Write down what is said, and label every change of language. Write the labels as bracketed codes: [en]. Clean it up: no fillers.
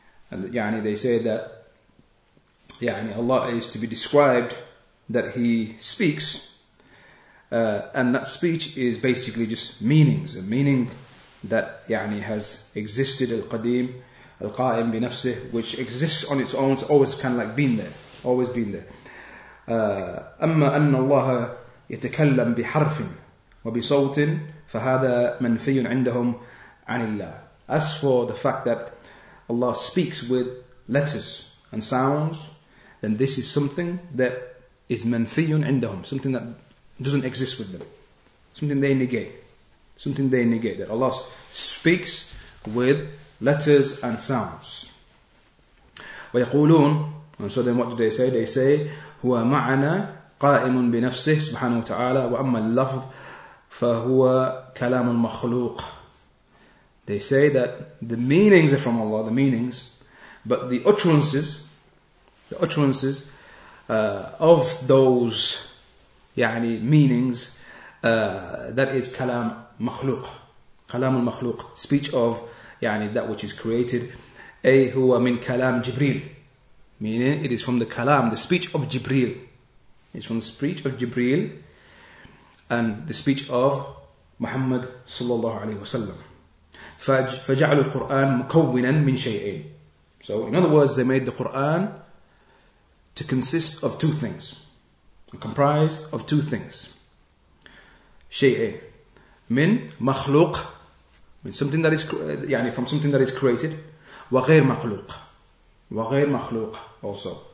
[en] They say that Allah is to be described that He speaks. And that speech is basically just meanings, a meaning that has existed, al-qadim, al-qa'im binafsih, which exists on its own, it's always kind of like been there, always been there. [ar] أما أن الله يتكلم بحرف وبصوت فهذا منفي عندهم عن الله. [en] As for the fact that Allah speaks with letters and sounds, then this is something that is [ar] منفي عندهم, [en] something that doesn't exist with them. Something they negate. That Allah speaks with letters and sounds. [ar] ويقولون, [en] and so then what do they say? They say, [ar] هو معنا قائم بنفسه سبحانه وتعالى وأما اللفظ فهو كلام المخلوق. [en] They say that the meanings are from Allah, the meanings, but the utterances of those meanings, that is kalam makhluq. [ar] كلام المخلوق, [en] speech of يعني that which is created. [ar] أي هو من كلام جبريل, [en] meaning it is from the كلام, the speech of جبريل. It's from the speech of جبريل and the speech of محمد صلى الله عليه وسلم. [ar] فجعلوا القرآن مكونا من شيئين. [en] So in other words, they made the Quran to consist of two things, comprise of two things. [ar] شيئين من مخلوق, من [en] something that is, [ar] يعني [en] from something that is created, [ar] وغير مخلوق, وغير مخلوق [en] also.